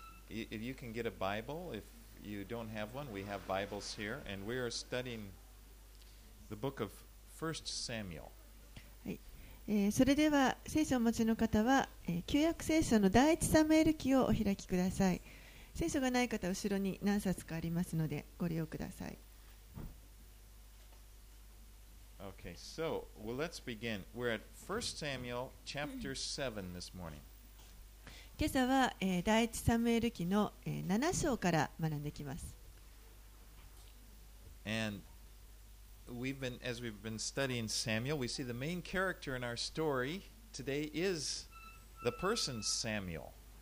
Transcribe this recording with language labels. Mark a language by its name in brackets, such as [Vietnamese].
[English] If you can get a Bible, if you don't have one, we have Bibles here. And we are studying the book of 1 Samuel. [Japanese] それでは聖書をお持ちの方は、旧約聖書の第一サムエル記をお開きください。聖書がない方は後ろに何冊かありますのでご利用ください。 [English] Okay, so, well, let's begin. We're at 1 Samuel chapter 7 this morning. [Japanese] 今朝は、第一サムエル記の、7章から学んできます。 [English] Andas we've been studying Samuel, we see the main character in our story today is the person Samuel.